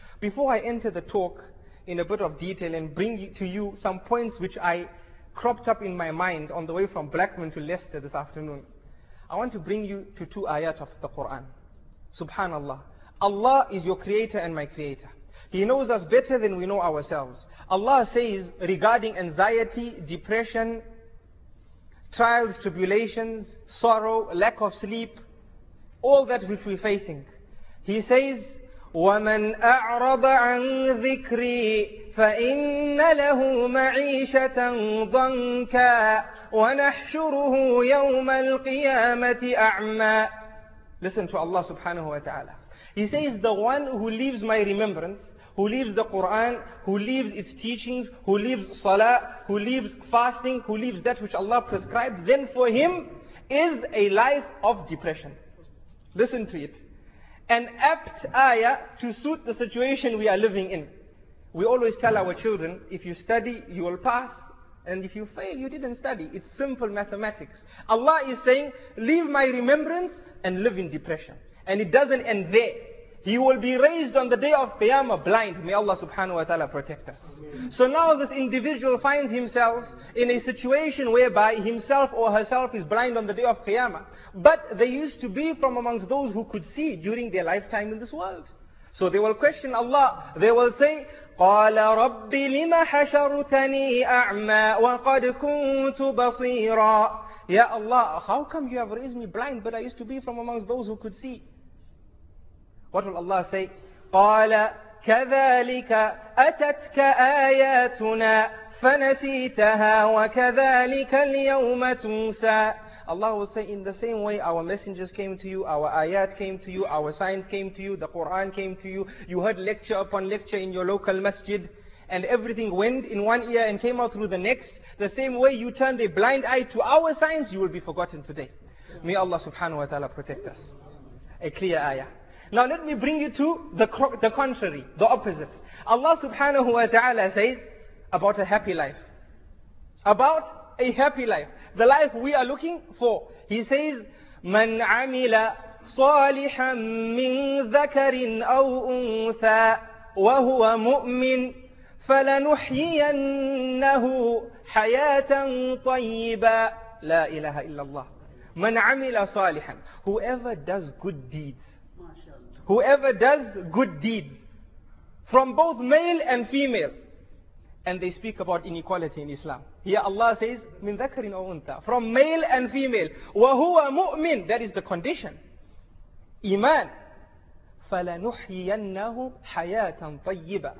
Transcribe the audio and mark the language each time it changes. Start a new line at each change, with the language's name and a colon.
English: Before I enter the talk in a bit of detail and bring to you some points which I cropped up in my mind on the way from Blackman to Leicester this afternoon, I want to bring you to two ayat of the Quran. Subhanallah. Allah is your creator and my creator. He knows us better than we know ourselves. Allah says regarding anxiety, depression, trials, tribulations, sorrow, lack of sleep, all that which we're facing. He says,
Arabic: وَمَنْ أَعْرَضَ عَنْ ذِكْرِي فَإِنَّ لَهُ مَعِيشَةً ضَنْكًا وَنَحْشُرُهُ يَوْمَ الْقِيَامَةِ أَعْمَى.
English: Listen to Allah subhanahu wa ta'ala. He says, the one who leaves my remembrance, who leaves the Quran, who leaves its teachings, who leaves salah, who leaves fasting, who leaves that which Allah prescribed, then for him is a life of depression. Listen to it. An apt ayah to suit the situation we are living in. We always tell our children, if you study, you will pass. And if you fail, you didn't study. It's simple mathematics. Allah is saying, leave my remembrance and live in depression. And it doesn't end there. He will be raised on the day of Qiyamah blind. May Allah subhanahu wa ta'ala protect us. Amen. So now this individual finds himself in a situation whereby himself or herself is blind on the day of Qiyamah. But they used to be from amongst those who could see during their lifetime in this world. So they will question Allah. They will say,
Arabic: قَالَ رَبِّ لِمَ حَشَرْتَنِي أَعْمَى وَقَدْ كُنْتُ بَصِيرًا.
English: Ya Allah, how come you have raised me blind, but I used to be from amongst those who could see? What will Allah say?
Arabic: قَالَ كَذَلِكَ أَتَتْكَ آيَاتُنَا فَنَسِيتَهَا وَكَذَلِكَ الْيَوْمَ تُنْسَى.
English: Allah will say, in the same way our messengers came to you, our ayat came to you, our signs came to you, the Quran came to you, you heard lecture upon lecture in your local masjid, and everything went in one ear and came out through the next, the same way you turned a blind eye to our signs, you will be forgotten today. May Allah subhanahu wa ta'ala protect us. A clear ayah. Now let me bring you to the contrary, the opposite. Allah subhanahu wa ta'ala says about a happy life. About a happy life. The life we are looking for. He says,
Arabic: مَنْ عَمِلَ صَالِحًا مِّنْ ذَكَرٍ أَوْ أُنْثَى وَهُوَ مُؤْمِنٍ فَلَنُحْيِيَنَّهُ حَيَاةً طَيِّبًا. La ilaha illallah. مَنْ عَمِلَ صَالِحًا.
English: Whoever does good deeds. Whoever does good deeds from both male and female, and they speak about inequality in Islam. Here Allah says,
Arabic: min dhakarin aw untha,
English: from male and female,
Arabic: wa huwa mu'min,
English: that is the condition, iman,
Arabic: falanuhyiyannahu hayatan tayyiba.